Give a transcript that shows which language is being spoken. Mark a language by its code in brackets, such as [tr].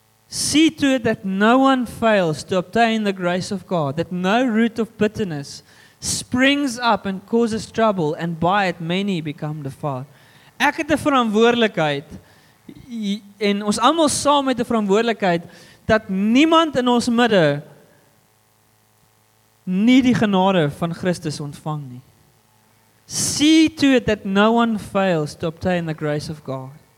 [en] See to it that no one fails to obtain the grace of God, that no root of bitterness springs up and causes trouble, and by it many become defiled. [af] Ek het 'n verantwoordelikheid, en ons allemaal saam met die verantwoordelikheid, dat niemand in ons midde nie die genade van Christus ontvang nie. [en] See to it that no one fails to obtain the grace of God.